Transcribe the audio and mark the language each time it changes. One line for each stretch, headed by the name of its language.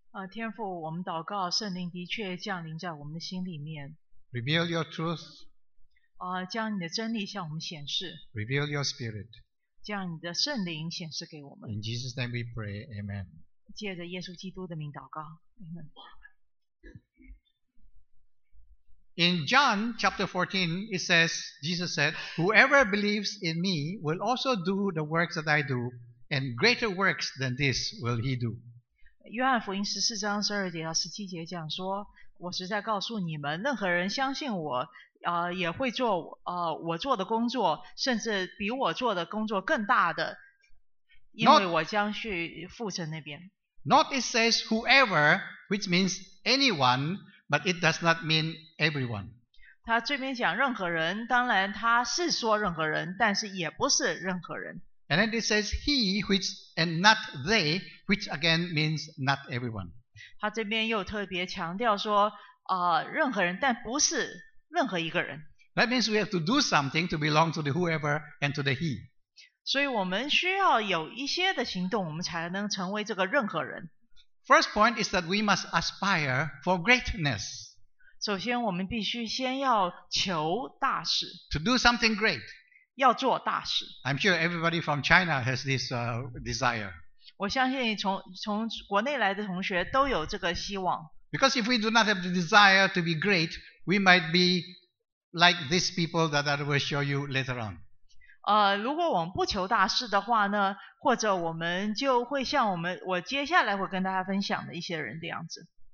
Chinese: 天父，我们祷告，圣灵的确降临在我们的心里面。
English: Reveal your truth,
Chinese: 将你的真理向我们显示。
English: Reveal your spirit,
Chinese: 将你的圣灵显示给我们。
English: In Jesus' name we pray, Amen.
Chinese: 借着耶稣基督的名祷告。
English: Amen. In John chapter 14, it says, Jesus said, "Whoever believes in me will also do the works that I do." And greater works than this will he do.
Chinese: 约翰福音十四章十二节到十七节讲说，我实在告诉你们，任何人相信我，也会做我做的工作，甚至比我做的工作更大的，因为我将去父神那边。
English: Not it says whoever, which means anyone, but it does not mean everyone.
Chinese: 他这边讲任何人，当然他是说任何人，但是也不是任何人。
English: And then it says he, which, and not they, which again means not everyone.
Chinese: 他这边又特别强调说，任何人，但不是任何一个人。
English: That means we have to do something to belong to the whoever and to the he.
Chinese: 所以我们需要有一些的行动，我们才能成为这个任何人。
English: First point is that we must aspire for greatness.
Chinese: 首先我们必须先要求大事。
English: To do something great.
Chinese: 要做大事。
English: I'm sure everybody from China has this desire.
Chinese: 我相信从国内来的同学都有这个希望。
English: Because if we do not have the desire to be great, we might be like these people that I will show you later on.
Chinese: 如果我们不求大事的话呢，或者我们就会像我接下来会跟大家分享的一些人这样子。